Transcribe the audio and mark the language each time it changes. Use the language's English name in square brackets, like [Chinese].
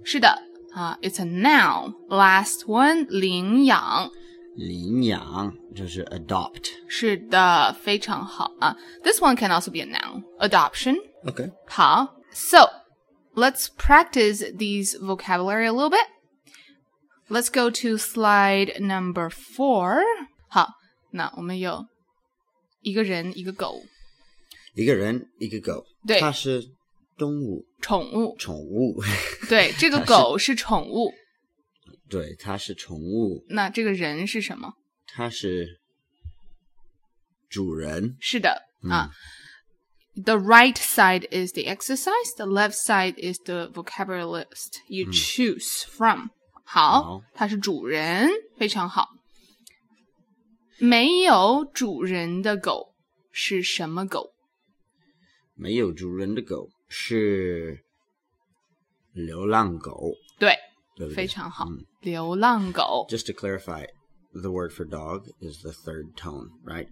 [English] 是的、 it's a noun. Last one, 领养。 [Chinese] 领养就是 adopt. [English] 是的非常好、 This one can also be a noun. Adoption. Okay. 好 So, let's practice these vocabulary a little bit. Let's go to slide number 4. [Chinese] 好那我们有一个人一个狗。一个人一个狗。对。它是动物宠物宠物对这个狗是宠物对它是宠物那这个人是什么它是主人 [English] 是的、 The right side is the exercise The left side is the vocabulary list You choose from 好它是主人非常好没有主人的狗是什么狗 [Chinese] 没有主人的狗是流浪狗对, 对, 对非常好、流浪狗 [English] Just to clarify, the word for dog is the third tone, right?